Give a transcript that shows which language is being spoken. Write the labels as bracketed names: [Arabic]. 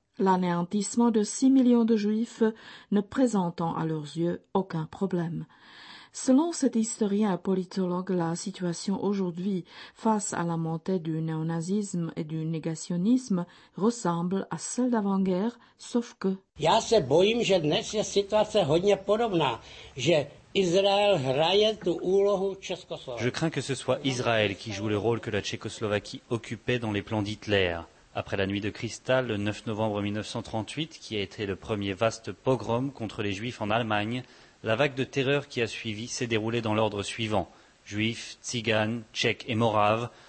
[French] L'anéantissement de 6 millions de Juifs ne présentant à leurs yeux aucun problème. Selon cet historien et politologue, la situation aujourd'hui face à la montée du néonazisme et du négationnisme ressemble à celle d'avant-guerre, sauf que... [Czech] Já se bojím, že dnes je situace hodně podobná, že... [French] Je crains que ce soit Israël qui joue le rôle que la Tchécoslovaquie occupait dans les plans d'Hitler. Après la nuit de cristal, le 9 novembre 1938, qui a été le premier vaste pogrom contre les Juifs en Allemagne, La vague de terreur qui a suivi s'est déroulée dans l'ordre suivant. Juifs, Tziganes, Tchèques et Moraves.